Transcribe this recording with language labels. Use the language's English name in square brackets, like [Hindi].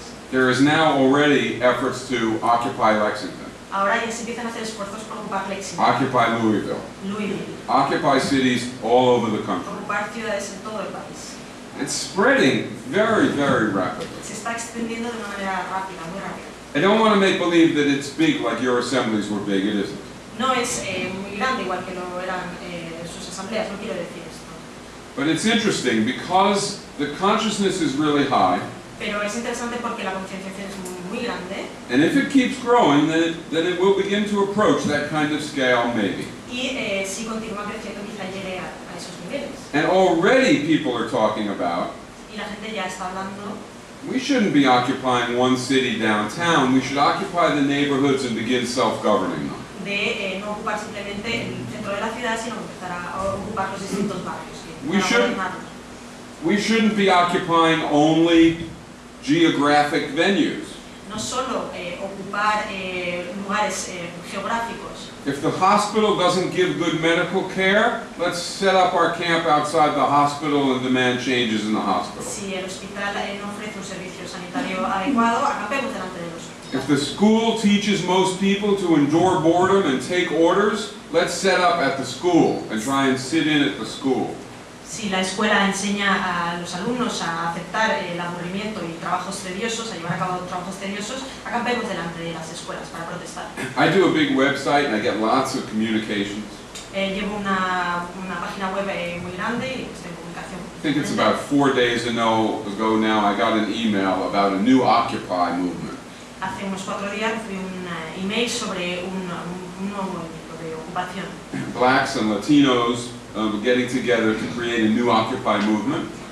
[English] There is now already efforts to occupy Lexington. [Spanish] Ahora ya se empiezan a hacer esfuerzos por ocupar Lexington. [English] Occupy Louisville. [Spanish] Louisville. [English] Occupy cities all over the country. [Spanish] Ocupar ciudades en todo el país. [English] It's spreading very, very rapidly. [Spanish] Se está extendiendo de una manera rápida, muy rápida. [English] I don't want to make believe that it's big like your assemblies were big. It isn't. [Spanish] No es muy grande igual que lo eran sus asambleas. No quiero decir esto. [English] But it's interesting because the consciousness is really high. [Spanish] Pero es interesante porque la concienciación es muy grande. [English] And if it keeps growing, then it will begin to approach that kind of scale, maybe. [Spanish] Y si continúa creciendo, quizá llegue a esos niveles. [English] And already people are talking about. [Spanish] Y la gente ya está hablando. [English] We shouldn't be occupying one city downtown. We should occupy the neighborhoods and begin self-governing them. [Spanish] No ocupar simplemente el centro de la ciudad, sino empezar a ocupar los distintos barrios. [English] We shouldn't be occupying only geographic venues. [Spanish] No solo ocupar lugares geográficos. [English] If the hospital doesn't give good medical care, let's set up our camp outside the hospital and demand changes in the hospital. [Spanish] Si el hospital no ofrece un servicio sanitario adecuado, acampemos delante del hospital. [English] If the school teaches most people to endure boredom and take orders, let's set up at the school and try and sit in at the school. [Spanish] Si la escuela enseña a los alumnos a aceptar el aburrimiento y trabajos tediosos, a llevar a cabo trabajos tediosos, acampemos delante de las escuelas para protestar. [English] I do a big website and I get lots of communications. [Spanish] Llevo una página web muy grande y estoy en comunicación. [English] I think it's about 4 days ago now I got an email about a new Occupy movement. [Spanish] Hace unos 4 días recibí un email sobre un nuevo movimiento de ocupación. [English] Blacks and Latinos we're getting together to create a new Occupy movement.